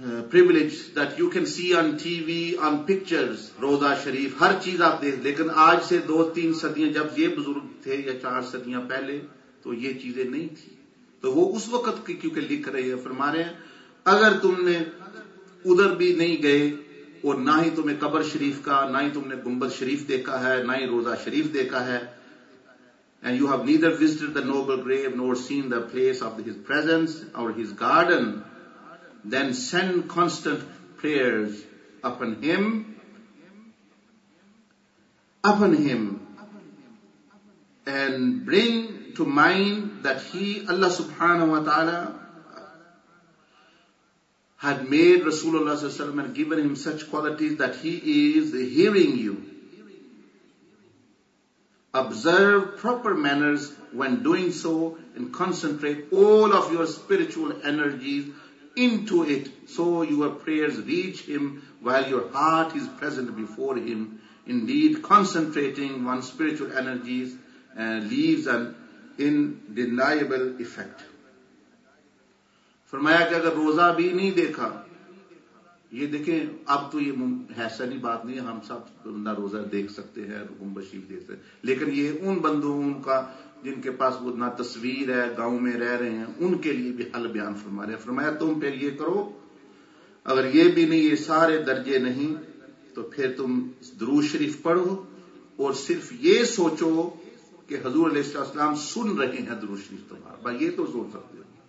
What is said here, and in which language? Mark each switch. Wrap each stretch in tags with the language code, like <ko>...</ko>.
<en>privilege that you can see on TV, on pictures,</en> <ur>روضہ شریف ہر چیز آپ دیکھ، لیکن آج سے 2-3 صدیاں جب یہ بزرگ تھے یا 4 صدیاں پہلے تو یہ چیزیں نہیں تھی، تو وہ اس وقت کی کیونکہ لکھ رہے ہیں، فرما رہے ہیں اگر تم نے ادھر بھی نہیں گئے اور نہ ہی تمہیں قبر شریف کا، نہ ہی تم نے گنبد شریف دیکھا ہے، نہ ہی روضہ شریف دیکھا ہے،</ur> <en>And you have neither visited the noble grave nor seen the place of his presence or his garden. Then send constant prayers upon him. Upon him. And bring to mind that he, Allah subhanahu wa ta'ala, had made Rasulullah sallallahu alayhi wa sallam and given him such qualities that he is hearing you. Observe proper manners when doing so and concentrate all of your spiritual energies into it so your prayers reach him while your heart is present before him. Indeed, concentrating one's spiritual energies leaves an indeniable effect.</en> <ur>فرمایا کہ اگر روزہ بھی نہیں دیکھا یہ دیکھیں اب تو یہ ایسا نہیں بات نہیں ہم سب نہ روزہ دیکھ سکتے ہیں گنبد شریف دیکھ سکتے لیکن یہ ان بندوں کا جن کے پاس وہ نہ تصویر ہے گاؤں میں رہ رہے ہیں ان کے لیے بھی حل بیان فرما رہے ہیں فرمایا تم پھر یہ کرو اگر یہ بھی نہیں یہ سارے درجے نہیں تو پھر تم درود شریف پڑھو اور صرف یہ سوچو کہ حضور علیہ السلام سن رہے ہیں درود شریف تمہارا بھائی یہ تو سوچ سکتے ہو</ur>